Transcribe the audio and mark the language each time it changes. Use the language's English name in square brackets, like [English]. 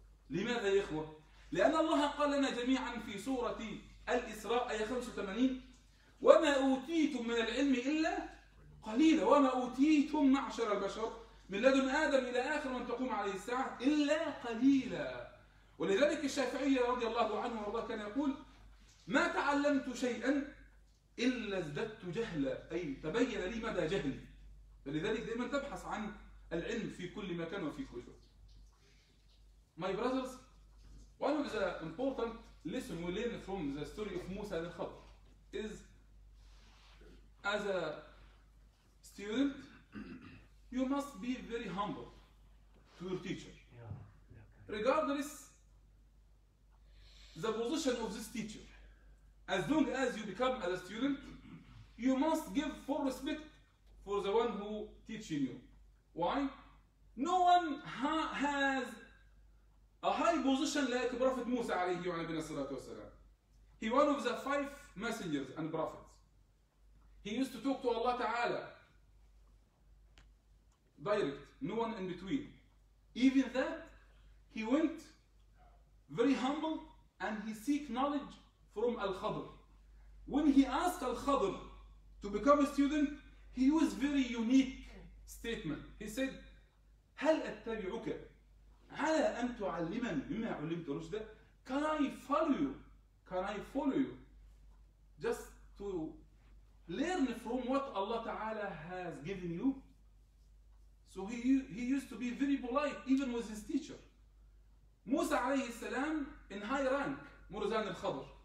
[Arabic] لماذا يا إخوة؟ لأن الله قال لنا جميعا في سورة الإسراء آية 85: وما أوتيتم من العلم إلا قليلا، وما أوتيتم معشر البشر من لدن آدم إلى آخر من تقوم عليه الساعة إلا قليلا. ولذلك الشافعي رضي الله عنه والله كان يقول: ما تعلمت شيئا إلا ازددت جهلا، أي تبين لي مدى جهلي. فلذلك دائما تبحث عن العلم في كل مكان وفي كل وقت. [English] My brothers, one of the important lesson we learn from the story of Musa and Khadr is, as a student, you must be very humble to your teacher. Regardless the position of this teacher, as long as you become as a student, you must give full respect for the one who teaching you. Why? No one has a high position like Prophet Musa alayhi wa sallam. He one of the five messengers and prophets. He used to talk to Allah Ta'ala direct, no one in between. Even that, he went very humble and he seek knowledge from Al-Khadr. When he asked Al-Khadr to become a student, he used very unique statement. He said, [Arabic] هل أتبعك على أن تعلمني مما علمت رشدا؟ [English] Can I follow you? Can I follow you? Just to learn from what Allah Ta'ala has given you. So he used to be very polite even with his teacher. Musa عليه السلام in high rank, Murzan al-Khadr.